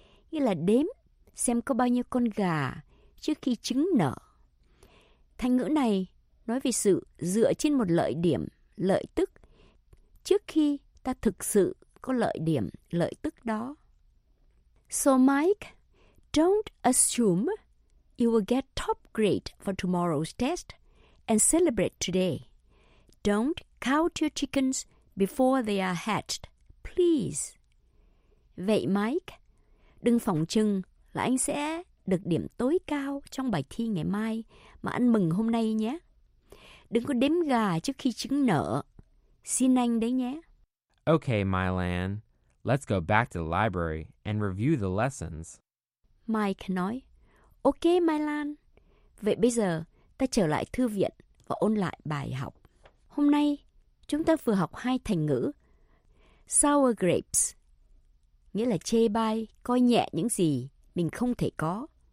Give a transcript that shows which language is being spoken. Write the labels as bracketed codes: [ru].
[vi] Nghĩa là đếm xem có bao nhiêu con gà trước khi trứng nở. Thành ngữ này nói về sự dựa trên một lợi điểm, lợi tức, trước khi ta thực sự có lợi điểm, lợi tức đó. [en] So Mike, don't assume you will get top grade for tomorrow's test and celebrate today. Don't count your chickens before they are hatched, please. [vi] Vậy Mike, đừng phỏng chừng là anh sẽ được điểm tối cao trong bài thi ngày mai mà anh mừng hôm nay nhé. Đừng có đếm gà trước khi trứng nở. Xin anh đấy nhé. [en] Okay, Mylan, let's go back to the library and review the lessons. [vi] Mike nói, okay, Mylan. Vậy bây giờ, ta trở lại thư viện và ôn lại bài học. Hôm nay, chúng ta vừa học hai thành ngữ. [en] Sour grapes, [vi] nghĩa là chê bai, coi nhẹ những gì mình không thể có.